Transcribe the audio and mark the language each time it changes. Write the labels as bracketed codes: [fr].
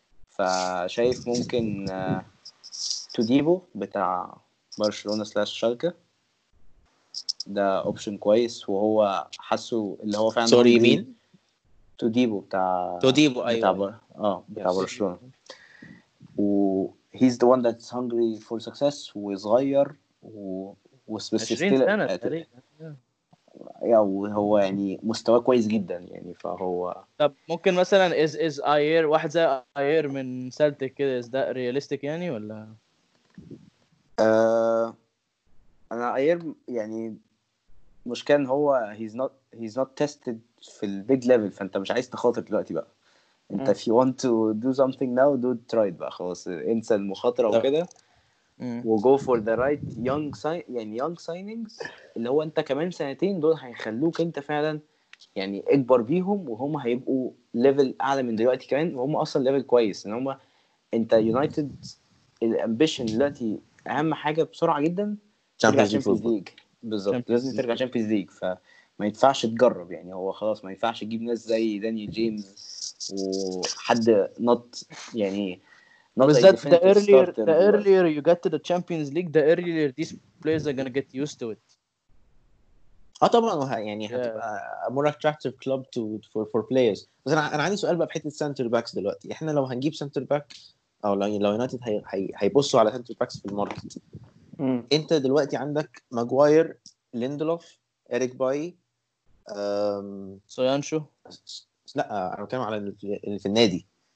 [ar] فشايف ممكن توديبو بتاع برشلونة سلاش شالكة ده اوبشن كويس وهو حسه اللي هو فعلا سوري مين توديبو بتاع توديبو ايوه بتاع برشلونة و [en] he's the one that's hungry for success [ar] وصغير و 20 سنة تقريبا Yeah, هو يعني مستوى كويس جدا يعني فهو طب ممكن مثلا is Ayer واحد زي Ayer من سلتك كده [en] is that realistic [ar] يعني ولا انا Ayer يعني مش كان هو [en] he's not tested [ar] في البيج ليفل فانت مش عايز تخاطر دلوقتي بقى انت [en] if you want to do something now do try it [ar] بقى خلاص انسى المخاطره وكده و [en] go for the right young sign [ar] يعني [en] young signings [ar] اللي هو انت كمان سنتين دول هيخلوك انت فعلا يعني اكبر بيهم وهم هيبقوا ليفل اعلى من دلوقتي كمان وهم اصلا ليفل كويس ان هم انت يونايتد الامبيشن دلوقتي اهم حاجه بسرعه جدا تشامبيونز ليج بالظبط لازم ترجع تشامبيونز ليج فما ينفعش تجرب يعني هو خلاص ما ينفعش تجيب ناس زي دانيال جيمس وحد نط يعني بالذات [en] the earlier you get to the Champions League the earlier these players are gonna get used to it. [ar] طبعا يعني هتبقى [en] more attractive club to for players. [ar] بس أنا عندي سؤال بقى بحيث السنتر باكس دلوقتي. إحنا لو هنجيب سنتر باك أو لو يونايتد هيبصوا على سنتر باكس في الماركت. أنت دلوقتي عندك ماجواير، ليندلوف، إريك باي، سويانشو. لا أنا بتكلم على في النادي.